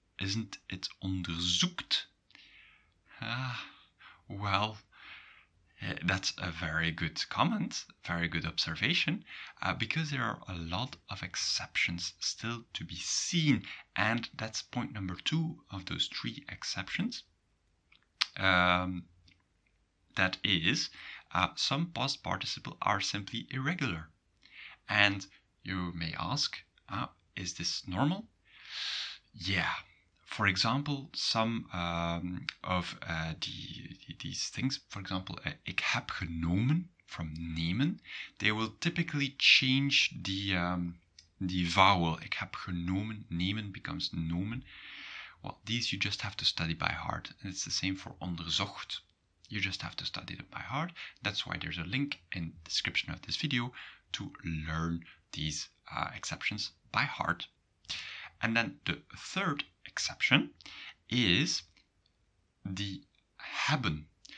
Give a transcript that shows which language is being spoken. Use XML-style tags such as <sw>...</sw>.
<en>Isn't it onderzoekt? Well, That's a very good comment, very good observation, because there are a lot of exceptions still to be seen. And that's point number two of those three exceptions. That is, some past participle are simply irregular. And you may ask, is this normal? Yeah. For example, some of these things, for example,</en> <nl>ik heb genomen</nl> <en>from nemen, they will typically change the vowel.</en> <nl>Ik heb genomen, nemen</nl> <en>becomes</en> <nl>nomen.</nl> <en>Well, these you just have to study by heart. And it's the same for onderzocht. You just have to study it by heart. That's why there's a link in the description of this video to learn these exceptions by heart. And then the third exception is the hebben.</en>